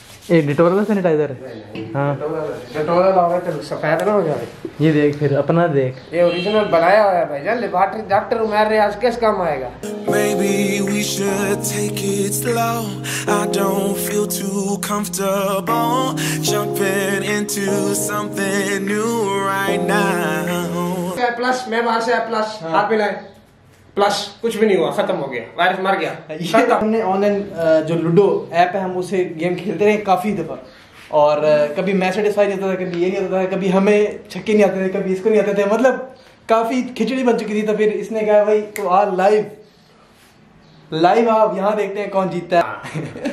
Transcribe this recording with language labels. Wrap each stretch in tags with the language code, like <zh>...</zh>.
<hi>ये डिटोल का सैनिटाइजर है। हाँ डिटोल लगा चल, सफेद ना हो जाए। ये देख फिर अपना देख, ये ओरिजिनल बनाया हुआ है भाई जान, लेबोरेटरी डॉक्टर उमर रे आज किस काम आएगा।</hi> <en>Maybe we should take it slow, I don't feel too comfortable jumping into something new right now.</en> <hi>A plus, मैं बाहर से A plus, हाथ मिलाए प्लस, कुछ भी नहीं हुआ, खत्म हो गया, वायरस मर गया। ये हमने ऑनलाइन जो लूडो ऐप है हम उसे गेम खेलते रहे काफ़ी दफ़ा, और कभी मैच सेटिस्फाई नहीं होता था, कभी ये नहीं होता था, कभी हमें छक्के नहीं आते थे, कभी इसको नहीं आते थे, मतलब काफ़ी खिचड़ी बन चुकी थी। तो फिर इसने कहा भाई तो आ लाइव लाइव आप यहाँ देखते हैं कौन जीतता है।</hi>